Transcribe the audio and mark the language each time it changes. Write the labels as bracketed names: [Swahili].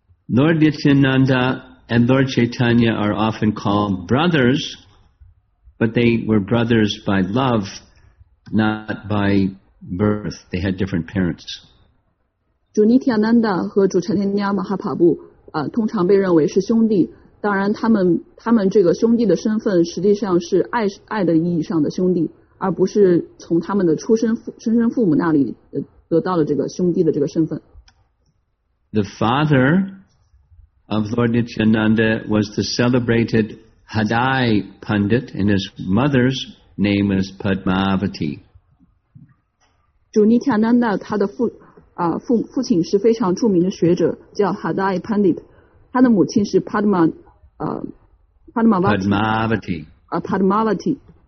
[English] Lord Nityananda and Lord Chaitanya are often called brothers, but they were brothers by love, not by birth. They had different parents. [Chinese] 主尼提亚南达和主禅天尼亚马哈帕布通常被认为是兄弟，当然他们这个兄弟的身份实际上是爱的意义上的兄弟，而不是从他们的出生父母那里得到了这个兄弟的这个身份。 [English] The father of Lord Nityananda was the celebrated Hadai Pandit, and his mother's name is Padmavati. [Chinese] 主尼提亚南达他的父亲是非常著名的学者，叫 Hadai Pandit， 他的母亲是 Padmavati.